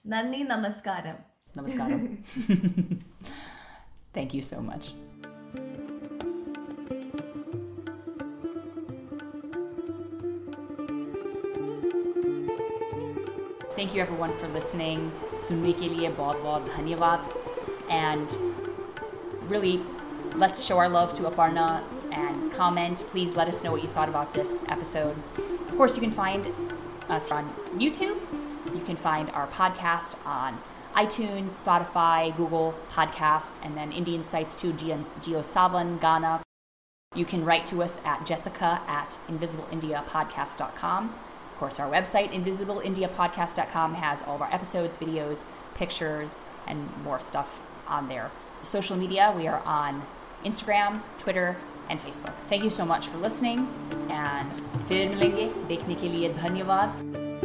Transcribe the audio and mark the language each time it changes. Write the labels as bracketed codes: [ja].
[hi] Nandi Namaskaram. Namaskaram. [en] Thank you so much. Thank you everyone for listening. [hi] सुनने के लिए बहुत बहुत धन्यवाद. [en] And really, let's show our love to Aparna and comment. Please let us know what you thought about this episode. Of course, you can find us on YouTube. You can find our podcast on iTunes, Spotify, Google Podcasts, and then Indian Sites too, GeoSavan, Ghana. You can write to us at jessica@invisibleindiapodcast.com. Of course, our website, invisibleindiapodcast.com, has all of our episodes, videos, pictures, and more stuff on there. Social media, we are on Instagram, Twitter, and Facebook. Thank you so much for listening, and and [hi] फिर मिलेंगे देखने के लिए धन्यवाद.